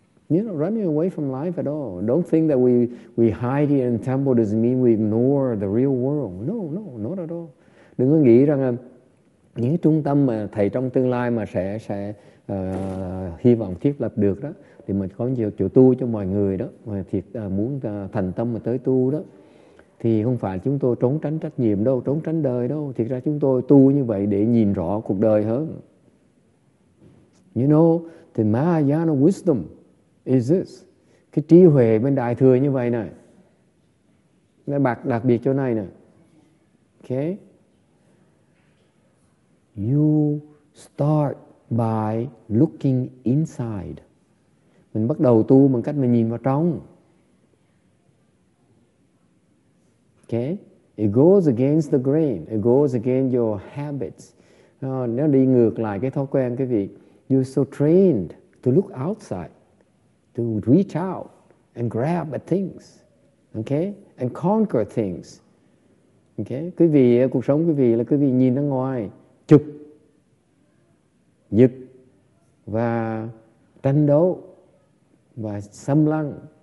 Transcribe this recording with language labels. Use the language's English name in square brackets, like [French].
[English] You're not running away from life at all. Don't think that we hide here in the temple doesn't mean we ignore the real world. No, not at all. [Vietnamese] Đừng có nghĩ rằng những trung tâm mà thầy trong tương lai mà sẽ hy vọng thiết lập được đó, thì mình có nhiều chỗ tu cho mọi người đó, mà thiệt muốn thành tâm mà tới tu đó, thì không phải chúng tôi trốn tránh trách nhiệm đâu, trốn tránh đời đâu. Thiệt ra chúng tôi tu như vậy để nhìn rõ cuộc đời hơn. [English] You know, the Mahayana wisdom is this. [Vietnamese] Cái trí huệ bên đại thừa như vậy này, nó bạc đặc biệt chỗ này này. Okay. [English] You start by looking inside. [Vietnamese] Mình bắt đầu tu bằng cách mình nhìn vào trong. [English] Okay. It goes against the grain. It goes against your habits. [Vietnamese] Nó đi ngược lại cái thói quen cái việc. [English] You're so trained to look outside, to reach out and grab at things, okay, and conquer things, okay. [Vietnamese] Quý vị, cuộc sống quý vị là quý vị nhìn ra ngoài, chụp, giật và tranh đấu và xâm lăng,